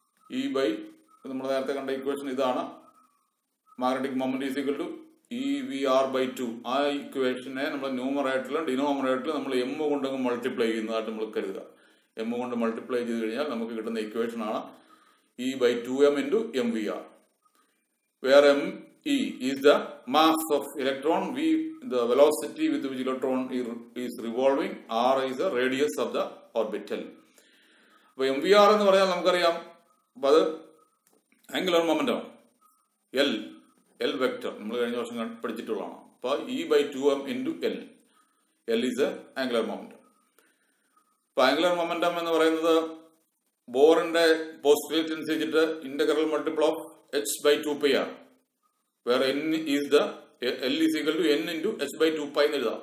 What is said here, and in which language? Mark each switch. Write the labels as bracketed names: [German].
[Malayalam] e by നമ്മൾ നേരത്തെ കണ്ട ഇക്വേഷൻ ഇതാണ്. [English] Magnetic moment is equal to evr by 2. [Malayalam] ആ ഇക്വേഷനെ നമ്മൾ ന്യൂമറേറ്ററിലും ഡിനോമിനേറ്ററിലും നമ്മൾ m കൊണ്ട് മൾട്ടിപ്ലൈ ചെയ്യുന്നതായിട്ട് നമ്മൾ കരുതുക. m കൊണ്ട് മൾട്ടിപ്ലൈ ചെയ്ത് കഴിഞ്ഞാൽ നമുക്ക് കിട്ടുന്ന ഇക്വേഷൻ ആണ് e by 2m into mvr. [English] Where m e is the mass of electron, v the velocity with which electron is revolving, r is the radius of the orbital. [Malayalam] അപ്പോൾ M V R എന്ന് പറഞ്ഞാൽ നമുക്കറിയാം അത് angular momentum ആണ്. L L vector നമ്മൾ കഴിഞ്ഞ വർഷം പഠിച്ചിട്ടുള്ളതാണ്. അപ്പോൾ [English] E by two M into L, L is a angular momentum. [Malayalam] അപ്പോൾ ആംഗുലർ മൊമെന്റം എന്ന് പറയുന്നത് ബോറിന്റെ പോസ്റ്റുലേറ്റ് അനുസരിച്ചിട്ട് [English] integral multiple of H by two pi [Malayalam] R, where N is the L is equal to N into H by two pi എന്ന് എഴുതാം.